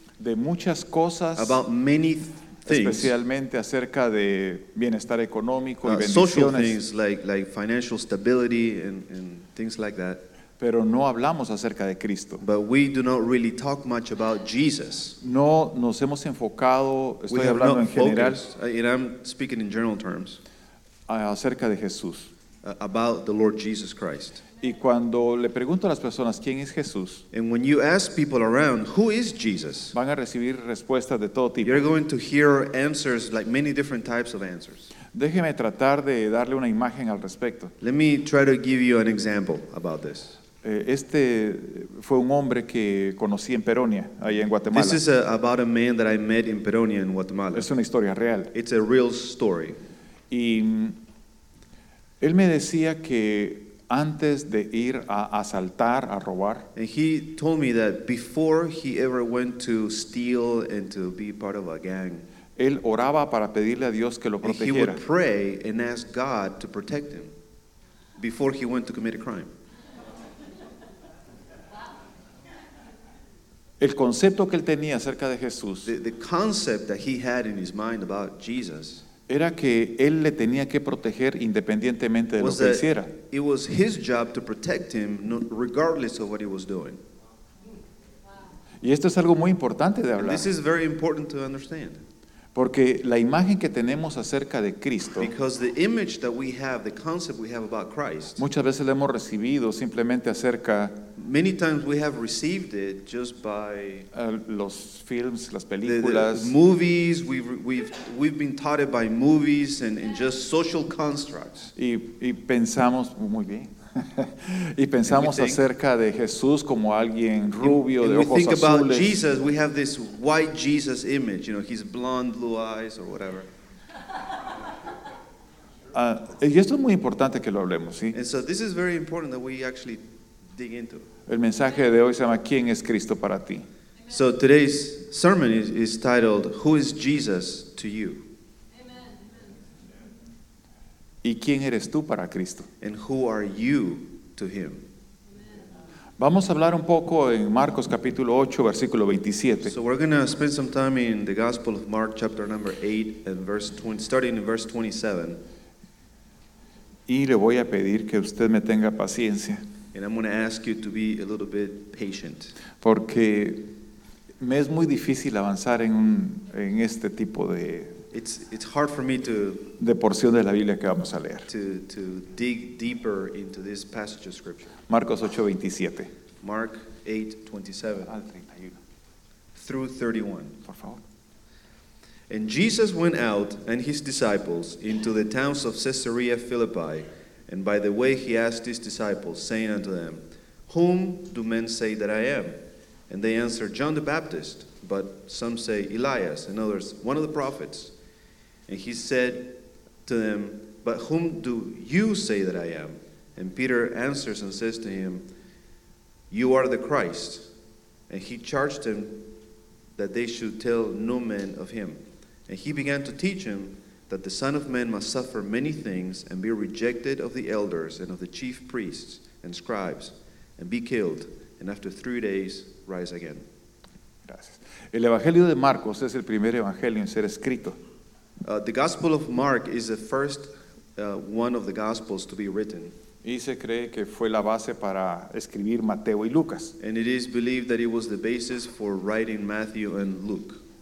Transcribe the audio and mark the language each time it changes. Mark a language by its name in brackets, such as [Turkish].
[Spanish] De muchas cosas, [English] about many things, [Spanish] especialmente acerca de bienestar económico y [English] social things like financial stability and things like that. [Spanish] Pero no hablamos acerca de Cristo. [English] But we do not really talk much about Jesus. [Spanish] No nos hemos enfocado, estoy hablando en general, [English] and I'm speaking in general terms, [Spanish] acerca de Jesús. [English] About the Lord Jesus Christ. [Spanish] Y cuando le pregunto a las personas quién es Jesús, [English] and when you ask people around who is Jesus, [Spanish] van a recibir respuestas de todo tipo. [English] You're going to hear answers like many different types of answers. [Spanish] Déjeme tratar de darle una imagen al respecto. [English] Let me try to give you an example about this. [Spanish] Este fue un hombre que conocí en Peronia, ahí en Guatemala. [English] This is about a man that I met in Peronia in Guatemala. [Spanish] Es una historia real. [English] It's a real story. [Spanish] Y él me decía que antes de ir a asaltar, a robar. [English] And he told me that before he ever went to steal and to be part of a gang, [Spanish] él oraba para pedirle a Dios que lo protegiera. [English] And he would pray and ask God to protect him before he went to commit a crime. [Spanish] El concepto que él tenía acerca de Jesús, [English] the concept that he had in his mind about Jesus, [Spanish] era que él le tenía que proteger independientemente de lo que hiciera. [English] It was his job to protect him regardless of what he was doing. [Spanish] Y esto es algo muy importante de hablar. [English] And this is very important to understand. [Spanish] Porque la imagen que tenemos acerca de Cristo, [English] because the image that we have, the concept we have about Christ, [Spanish] muchas veces la hemos recibido simplemente acerca, [English] many times we have received it just by [Spanish] los films, las películas, [English] the movies, we've been taught it by movies and just social constructs. [Spanish] Y pensamos muy bien. Y pensamos acerca de Jesús como alguien rubio, de ojos azules. [English] We think about Jesus, we have this white Jesus image, you know, his blonde blue eyes or whatever. [Spanish] Y esto es muy importante que lo hablemos, ¿sí? [English] And so this is very important that we actually dig into. [Spanish] El mensaje de hoy se llama ¿Quién es Cristo para ti? [English] So today's sermon is titled Who is Jesus to you? [Spanish] ¿Y quién eres tú para Cristo? [English] And who are you to him? [Spanish] Vamos a hablar un poco en Marcos capítulo 8, versículo 27. [English] So we're going to spend some time in the Gospel of Mark, chapter number 8, and verse 20, starting in verse 27. [Spanish] Y le voy a pedir que usted me tenga paciencia. [English] And I'm going to ask you to be a little bit patient. [Spanish] Porque me es muy difícil avanzar en este tipo de... [English] It's hard for me to [Spanish] de porción de la Biblia que vamos a leer. [English] To dig deeper into this passage of scripture. [Spanish] Marcos 8:27. [English] Mark 8:27 through 31. [Spanish] Por favor. [English] And Jesus went out and his disciples into the towns of Caesarea Philippi, and by the way he asked his disciples, saying unto them, Whom do men say that I am? And they answered, John the Baptist, but some say Elias, and others one of the prophets. And he said to them, But whom do you say that I am? And Peter answers and says to him, You are the Christ. And he charged them that they should tell no man of him. And he began to teach him that the Son of Man must suffer many things and be rejected of the elders and of the chief priests and scribes and be killed and after 3 days rise again. [Spanish] Gracias. El Evangelio de Marcos es el primer evangelio en ser escrito. [English] The Gospel of Mark is the first one of the Gospels to be written. [Spanish] Y se cree que fue la base para escribir Mateo y Lucas. [English] And it is believed that it was the basis for writing Matthew and Luke.